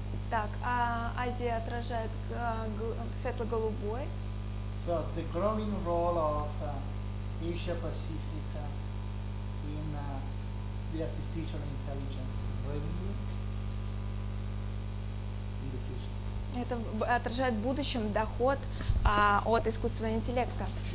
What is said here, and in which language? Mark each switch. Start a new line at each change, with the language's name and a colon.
Russian: Так, а Азия отражает светло-голубой.
English: So the growing role of Asia Pacific in the artificial intelligence revenue in the future.
Russian: Это отражает в будущем доход от искусственного интеллекта.